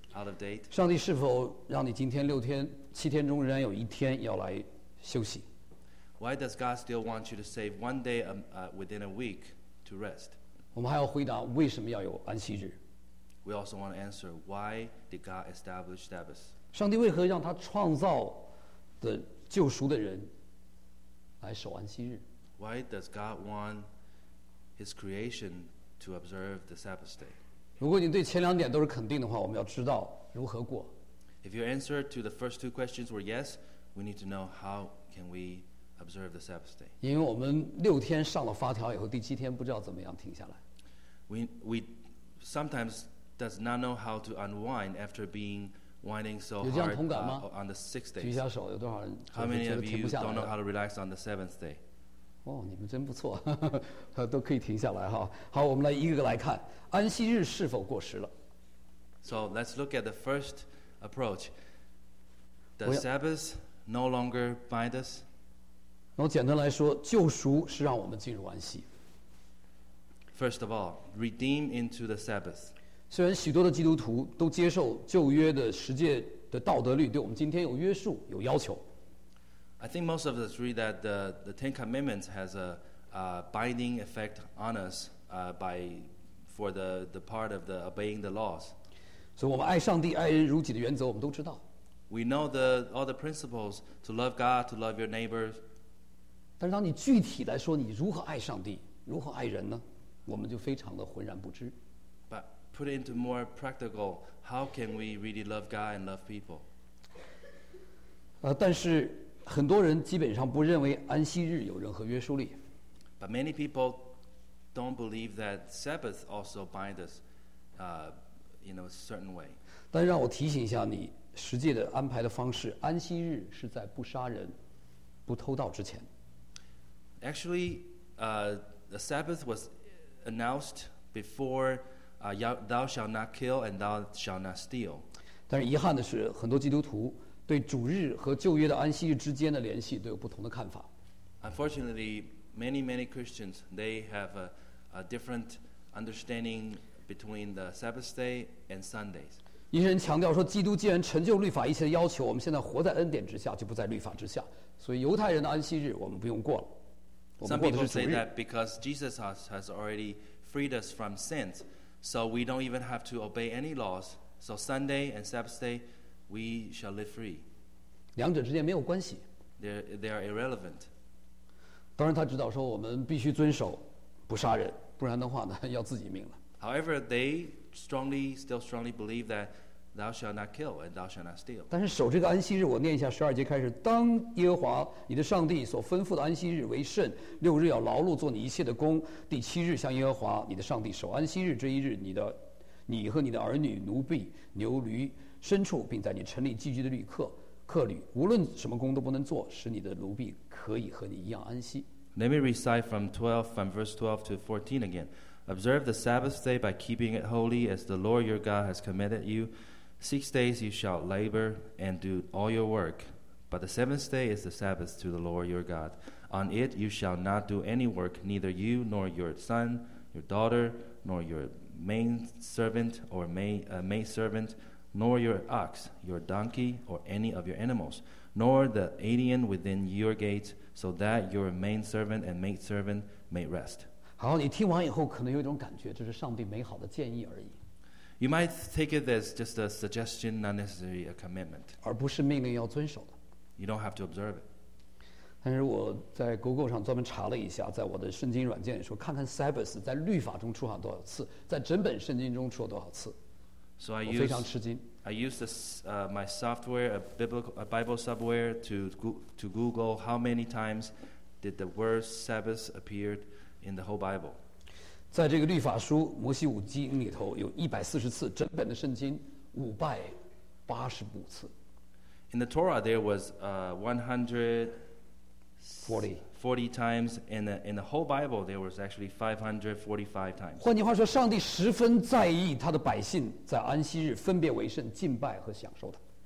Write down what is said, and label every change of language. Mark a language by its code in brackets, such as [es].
[en] Out of date. [zh] 上帝是否让你今天六天、七天中仍然有一天要来休息 [en] ？Why does God still want you to save one day within a week to rest? [zh] 我们还要回答为什么要有安息日 [en] ？We also want to answer why did God establish Sabbath? [zh] 上帝为何让他创造的救赎的人来守安息日 [en] ？Why does God want His creation to observe the Sabbath day? [zh] 如果你对前两点都是肯定的话，我们要知道如何过。 [en] If your answer to the first two questions were yes, we need to know how can we observe the Sabbath day. [zh] 因为我们六天上了发条以后，第七天不知道怎么样停下来。 [en] We sometimes does not know how to unwind after being whining so [zh] 有这样同感吗? [en] On the sixth day. [zh] 举下手，有多少人？ [en] How many of you don't know how to relax on the seventh day? [zh] 哦，你们真不错，都可以停下来哈。好，我们来一个个来看，安息日是否过时了？ [en] So let's look at the first approach. The Sabbath no longer bind us. [zh] 然后简单来说，救赎是让我们进入安息。 [en] First of all, redeem into the Sabbath. [zh] 虽然许多的基督徒都接受旧约的十诫的道德律，对我们今天有约束、有要求。 [en] I think most of us agree that the Ten Commandments has a binding effect on us by the part of the obeying the laws. [zh] 所以我们爱上帝、爱人如己的原则，我们都知道。 [en] We know all the principles to love God, to love your neighbors. [zh] 但是当你具体来说，你如何爱上帝、如何爱人呢？我们就非常的浑然不知。 [en] But put it into more practical, how can we really love God and love people? [zh] 但是很多人基本上不认为安息日有任何约束力。 [en] But many people don't believe that Sabbath also binds us, in a certain way. [zh] 但让我提醒一下你，实际的安排的方式，安息日是在不杀人、不偷盗之前。 [en] Actually, the Sabbath was announced before, thou shalt not kill and thou shalt not steal. [zh] 但是遗憾的是，很多基督徒对主日和旧约的安息日之间的联系都有不同的看法。 [en] Unfortunately, many Christians they have a different understanding between the Sabbath day and Sundays. [zh] 一些人强调说，基督既然成就律法一切的要求，我们现在活在恩典之下，就不在律法之下，所以犹太人的安息日我们不用过了。 [en] Some people say that because Jesus has already freed us from sins, so we don't even have to obey any laws. So Sunday and Sabbath day, we shall live free. [zh] 两者之间没有关系。 [en] They are irrelevant. [zh] 当然，他知道说我们必须遵守，不杀人，不然的话呢，要自己命了。 [en] However, they still strongly believe that thou shalt not kill and thou shalt not steal. [zh] 但是守这个安息日，我念一下十二节开始。当耶和华你的上帝所吩咐的安息日为圣，六日要劳碌做你一切的工，第七日向耶和华你的上帝守安息日。这一日，你和你的儿女、奴婢、牛驴、牲畜，并在你城里寄居的旅客、客旅，无论什么工都不能做，使你的奴婢可以和你一样安息。 [en] Let me recite from verse 12 to 14 again. Observe the Sabbath day by keeping it holy, as the Lord your God has commanded you. 6 days you shall labor and do all your work, but the seventh day is the Sabbath to the Lord your God. On it you shall not do any work, neither you nor your son, your daughter, nor your maidservant or maidservant, nor your ox, your donkey, or any of your animals, nor the alien within your gates, so that your maidservant and maidservant may rest. [zh] 好，你听完以后可能有一种感觉，这是上帝美好的建议而已。 [en] You might take it as just a suggestion, not necessarily a commitment. [zh] 而不是命令要遵守的。 [en] You don't have to observe it. [zh] 但是我在 Google 上专门查了一下，在我的圣经软件里说，看看 Sabbath 在律法中出现多少次，在整本圣经中出了多少次。 [en] So I [zh] 我非常吃惊。 [en] I used my software, a Bible software, to Google how many times did the word Sabbath appear in the whole Bible. [zh] 在这个律法书摩西五经里头有140次，整本的圣经585次。 [en] In the Torah there was 140 times, and in the whole Bible there was actually 545 times. [zh] 换句话说，上帝十分在意他的百姓在安息日分别为圣，敬拜和享受他。